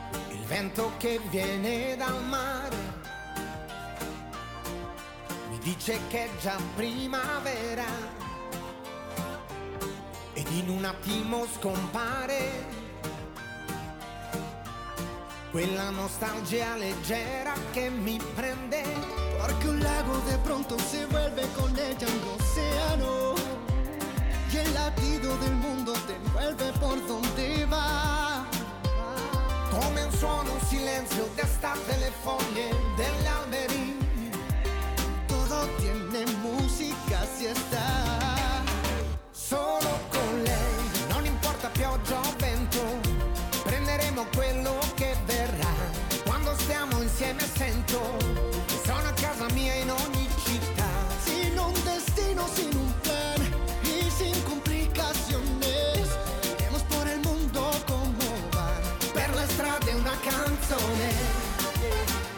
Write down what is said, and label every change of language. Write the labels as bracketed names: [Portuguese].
[Italian] Il vento che viene dal mare dice che è già primavera ed in un attimo scompare quella nostalgia leggera che mi prende. [Spanish] Porque un lago de pronto se vuelve con ella un océano y el latido del mundo te envuelve por donde va. [Italian] Come un suono, un silenzio d'estate, le foglie degli alberi. [Spanish] Tiene música si está [Italian] solo con lei. Non importa pioggia o vento, prenderemo quello che verrà. Quando stiamo insieme sento che sono a casa mia in ogni città. [Spanish] Sin un destino, sin un plan y sin complicaciones, iremos por el mundo como va. [Italian] Per la strada una canzone.